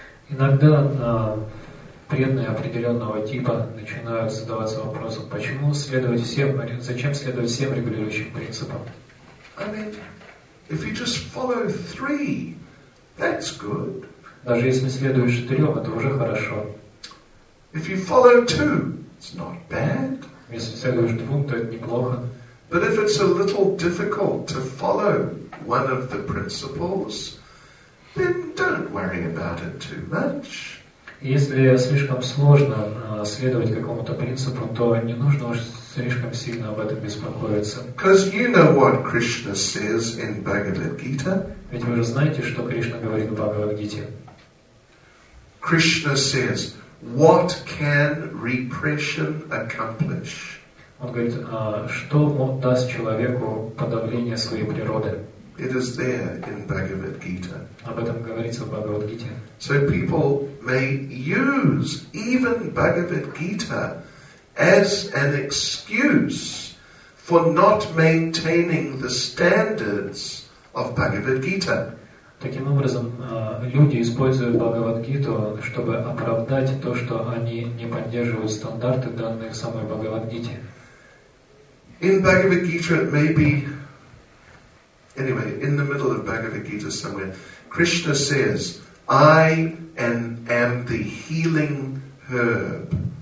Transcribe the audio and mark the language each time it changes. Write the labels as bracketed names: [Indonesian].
[Russian] Иногда преданные определенного типа начинают задаваться вопросом, почему следовать всем, зачем следовать всем регулирующим принципам. [English] I mean, if you just follow three, that's good. [Russian] Даже если следуешь трем, это уже хорошо. [English] If you follow two, it's not bad. [Russian] Если следуешь двум, то это неплохо. [English] But if it's a little difficult to follow one of the principles, then don't worry about it too much. [Russian] Если слишком сложно следовать какому-то принципу, то не нужно уж слишком сильно об этом беспокоиться. [English] Because you know what Krishna says in Bhagavad Gita. [Russian] Ведь вы же знаете, что Кришна говорит в Бхагавад Гите. [English] Krishna says, what can repression accomplish? [Russian] Он говорит, что даст человеку подавление своей природы? [English] It is there in Bhagavad Gita. [Russian] Об этом говорится в Бхагавад Гите. [English] So people may use even Bhagavad Gita as an excuse for not maintaining the standards of Bhagavad Gita. [Russian] Таким образом, люди используют Бхагавад-гиту, чтобы оправдать то, что они не поддерживают стандарты, данные в самой Бхагавад-гите. [English] In Bhagavad-гита, maybe, anyway, in the middle of Bhagavad-гита somewhere, Krishna says, I am the healing herb.